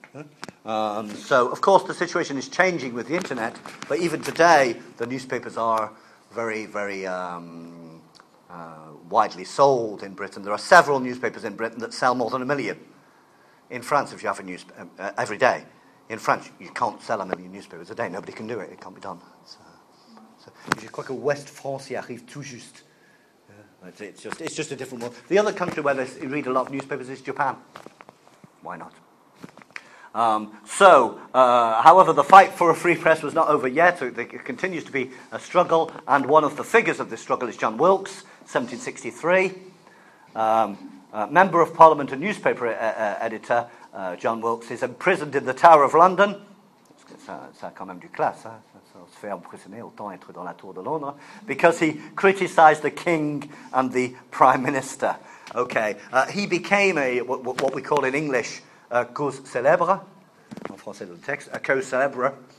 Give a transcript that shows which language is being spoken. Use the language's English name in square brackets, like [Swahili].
[English] So, of course, the situation is changing with the internet, but even today, the newspapers are very, very widely sold in Britain. There are several newspapers in Britain that sell more than 1 million. In France, if you have a news every day, in France, you can't sell 1 million newspapers a day. Nobody can do it. It can't be done. [French] Je crois que West France y arrive tout juste. [English] It's just a different one. The other country where they read a lot of newspapers is Japan. Why not? However, the fight for a free press was not over yet. So it continues to be a struggle. And one of the figures of this struggle is John Wilkes, 1763. Member of Parliament and newspaper editor, John Wilkes, is imprisoned in the Tower of London. [French] Ça quand même du classe, hein? On se fait emprisonner, autant être dans la Tour de Londres. [English] Because he criticised the king and the prime minister. Okay, he became what we call in English a cause célèbre, [French] en français dans le texte, [English] a cause célèbre.